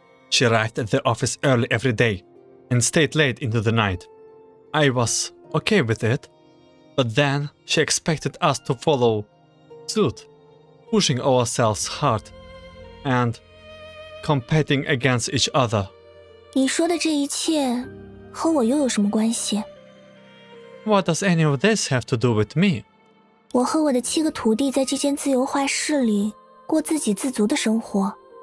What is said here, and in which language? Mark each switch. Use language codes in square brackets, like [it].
[en] She arrived at the office early every day and stayed late into the night. I was okay with it, but then she expected us to follow suit, pushing ourselves hard and competing against each other. [zh] 你说的这一切和我又有什么关系? [en] What does any of this have to do with me? [zh] 我和我的七个徒弟在这间自由画室里过自给自足的生活。